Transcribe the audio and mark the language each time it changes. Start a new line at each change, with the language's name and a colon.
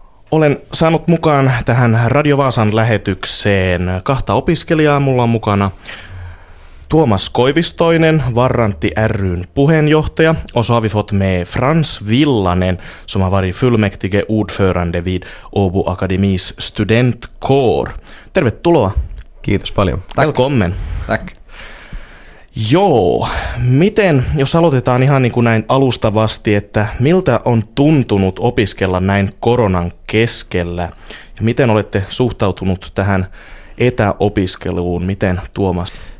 Finnish: Olen saanut mukaan tähän Radio Vaasan lähetykseen kahta opiskelijaa. Mulla on mukana Tuomas Koivistoinen, Varrantti ry:n puheenjohtaja.
Swedish: Osaavi fått med Frans Villanen, som har varit fullmäktige ordförande vid Åbo Akademis studentkår.
Finnish: Tervetuloa. Kiitos paljon.
Swedish: Välkommen. Tack.
Finnish: Joo, miten, jos aloitetaan ihan niin kuin näin alustavasti, että miltä on tuntunut opiskella näin koronan keskellä? Ja miten olette suhtautunut tähän etäopiskeluun? Miten, Tuomas?